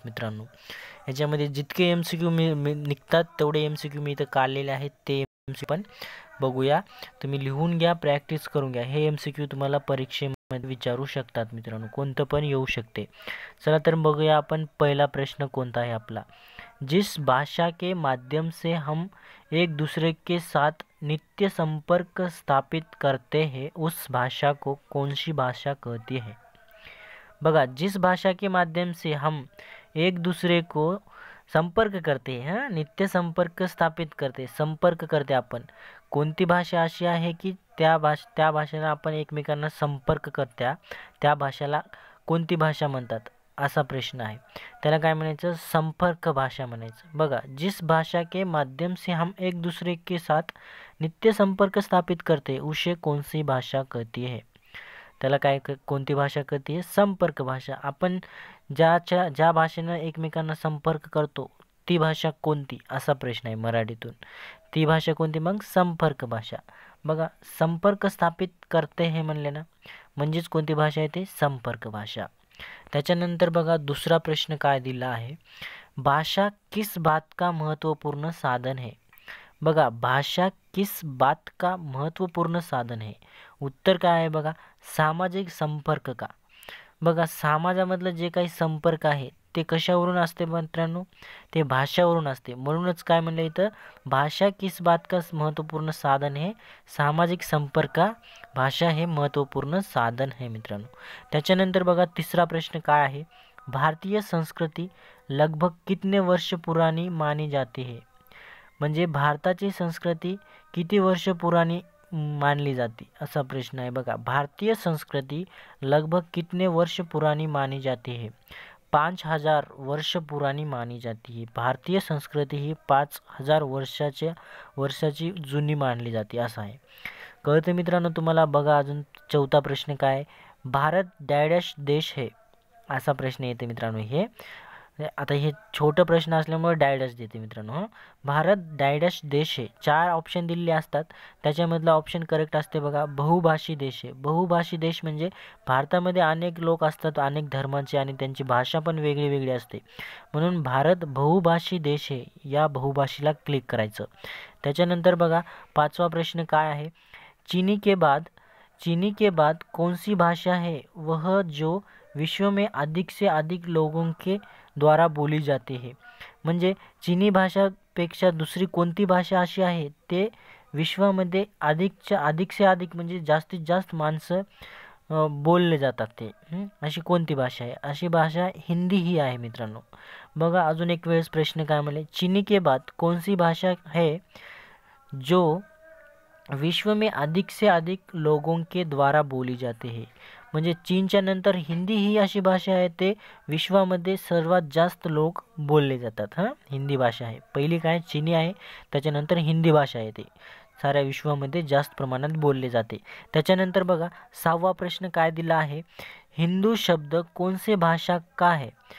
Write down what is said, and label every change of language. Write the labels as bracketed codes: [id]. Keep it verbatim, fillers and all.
[mr] मित्रांनो, याच्यामध्ये जितके एम सी क्यू मी मी- निघतात तेवढे एम सी क्यू मी इथं काढलेले आहेत. ते एम सी पण बघूया. तुम्ही लिहून घ्या, प्रॅक्टिस करून घ्या. हे एम सी क्यू तुम्हाला परीक्षेमध्ये विचारू शकतात मित्रांनो, कोणतं पण येऊ शकते. चला तर बघूया आपण पहिला प्रश्न कोणता आहे आपला. [hi] जिस भाषा के माध्यम से हम एक दूसरे के साथ नित्य संपर्क स्थापित करते हैं उस भाषा को कौन सी भाषा कहती है. बघा, जिस भाषा के माध्यम से हम एक दूसरे को संपर्क करते हैं, हाँ, नित्य संपर्क स्थापित करते, संपर्क करते आपण. [mr] कोणती भाषा अशी आहे की त्या भाष त्या भाषेला आपण एकमेकांना संपर्क करत्या, त्या भाषेला कोणती भाषा म्हणतात असा प्रश्न आहे. त्याला काय म्हणायचं, संपर्क भाषा म्हणायचं. [hi] बघा, जिस भाषा के माध्यम से हम एक दूसरे के साथ नित्य संपर्क स्थापित करते उसे कौन सी भाषा कहती है. [mr] त्याला काय क- कोणती भाषा कळते आहे, संपर्क भाषा. आपण ज्याच्या ज्या भाषेनं एकमेकांना संपर्क करतो ती भाषा कोणती असा प्रश्न आहे मराठीतून. ती भाषा कोणती, मग संपर्क भाषा. बघा, संपर्क स्थापित करते हे म्हणले ना, म्हणजेच कोणती भाषा आहे ते, संपर्क भाषा. त्याच्यानंतर बघा दुसरा प्रश्न काय दिला आहे, [hi] भाषा किस बात का महत्त्वपूर्ण साधन है. बघा, भाषा किस बात का महत्त्वपूर्ण साधन है. [mr] उत्तर काय आहे बघा, [hi] सामाजिक संपर्क का. [mr] बघा, समाजामधलं जे काही संपर्क आहे ते कशावरून असते मित्रांनो, ते भाषावरून असते. म्हणूनच काय म्हणलं इथं, [hi] भाषा किस बात का महत्त्वपूर्ण साधन [mr] हे, सामाजिक संपर्क का भाषा हे महत्त्वपूर्ण साधन आहे मित्रांनो. त्याच्यानंतर बघा तिसरा प्रश्न काय आहे, [hi] भारतीय संस्कृती लगभग कितने वर्ष पुरानी मानी जाती है. [mr] म्हणजे भारताची संस्कृती किती वर्ष पुराणी मानली जाते असा प्रश्न आहे. [hi] बघा, भारतीय संस्कृती लगभग कितने वर्ष पुरानी मानी जाती है. पाँच हजार वर्ष पुरानी मानी जाती है. [mr] भारतीय संस्कृती ही पाच हजार वर्षाच्या वर्षाची जुनी मानली जाते असं आहे. कळतं मित्रांनो तुम्हाला. बघा अजून चौथा प्रश्न काय आहे? भारत डॅडॅश [hi] देश है [mr] असा प्रश्न येते मित्रांनो. हे आता हे छोटं प्रश्न असल्यामुळे डायडॅश देते मित्रांनो. हं, भारत डायडॅश देश आहे. चार ऑप्शन दिलेले असतात, त्याच्यामधला ऑप्शन करेक्ट असते बघा, बहुभाषी देश आहे. बहुभाषी देश म्हणजे भारतामध्ये अनेक लोक असतात, अनेक धर्मांचे, आणि त्यांची भाषा पण वेगळी वेगळी असते. म्हणून भारत बहुभाषी देश आहे, या बहुभाषीला क्लिक करायचं. त्याच्यानंतर बघा पाचवा प्रश्न काय आहे, [hi] चीनी के बाद चीनी के बाद कौन सी भाषा है वह जो विश्व में अधिक से अधिक लोगों के द्वारा बोली जाते है. [mr] म्हणजे चीनी भाषापेक्षा दुसरी कोणती भाषा अशी आहे ते विश्वामध्ये अधिकच्या [hi] अधिक से अधिक [mr] म्हणजे जास्तीत जास्त माणसं अ, बोलले जातात ते. हं? अशी कोणती भाषा आहे, अशी भाषा हिंदी ही आहे मित्रांनो. बघा अजून एक वेळेस प्रश्न काय म्हणले, [hi] चीनी के बाद कौन सी भाषा है जो विश्व में अधिक से अधिक लोगों के द्वारा बोली जाते है. [mr] म्हणजे चीनच्या नंतर हिंदी ही अशी भाषा आहे ते विश्वामध्ये सर्वात जास्त लोक बोलले जातात. हां, हिंदी भाषा आहे. पहिली काय चीनी आहे, त्याच्यानंतर हिंदी भाषा आहे, ते साऱ्या विश्वामध्ये जास्त प्रमाणात बोलले जाते. त्याच्यानंतर बघा सहावा प्रश्न काय दिला आहे, [hi] हिंदू शब्द कौन से भाषा का है.